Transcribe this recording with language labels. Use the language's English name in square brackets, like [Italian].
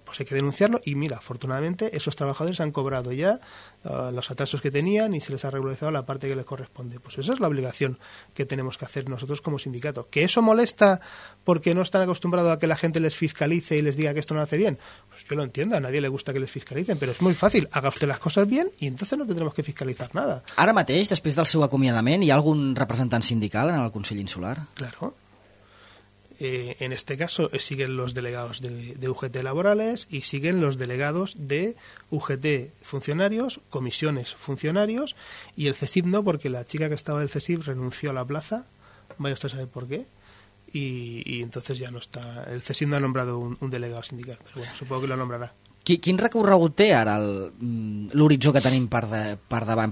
[Spanish] Pues hay que denunciarlo, y mira, afortunadamente esos trabajadores han cobrado ya los atrasos que tenían y se les ha regularizado la parte que les corresponde. Pues esa es la obligación que tenemos que hacer nosotros como sindicato. ¿Que eso molesta porque no están acostumbrados a que la gente les fiscalice y les diga que esto no hace bien? Pues yo lo entiendo, a nadie le gusta que les fiscalicen, pero es muy fácil. Haga usted las cosas bien y entonces no tendremos que fiscalizar nada. [Catalan] Ara mateix, després del seu acomiadament, ¿hi ha algun representant sindical en el Consell Insular? [Spanish] Claro. En este caso siguen los delegados de UGT laborales y siguen los delegados de UGT funcionarios, comisiones funcionarios, y el CESIF no, porque la chica que estaba del CESIF renunció a la plaza, vaya usted a saber por qué, y entonces ya no está. El CESIF no ha nombrado un delegado sindical, pero bueno, supongo que lo nombrará. [Catalan] Quin recorregut té ara l'horitzó que tenim per davant?